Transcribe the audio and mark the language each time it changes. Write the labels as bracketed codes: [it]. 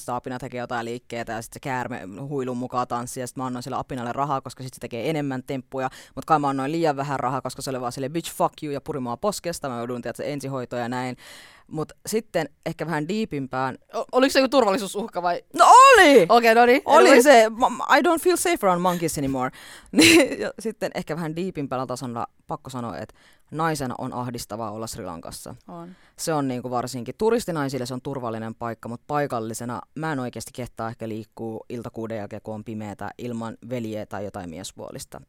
[fi] Sitten apina tekee jotain liikkeitä ja sitten se käärme huilun mukaan tanssii. Ja sitten mä annoin sille apinalle rahaa, koska sitten se tekee enemmän temppuja. Mut kai mä annoin liian vähän rahaa, koska se oli vaan sille [en] bitch fuck you [fi] ja puri mua poskesta. Mä joudun tietysti ensihoitoon ja näin. Mut sitten ehkä vähän diipimpään. Oliko se joku turvallisuusuhka vai? No oli! Okei, no niin. Oli se. [en] I don't feel safe around monkeys anymore. [fi] Ja sitten ehkä vähän diipimpällä tasolla pakko sanoa, että naisena on ahdistavaa olla Sri Lankassa. On. Se on niinku varsinkin turistinaisille se on turvallinen paikka, mutta paikallisena mä en oikeasti kehtaa ehkä liikkuu iltakuuden jälkeen, kun on pimeätä ilman veljeä tai jotain miesvuolista.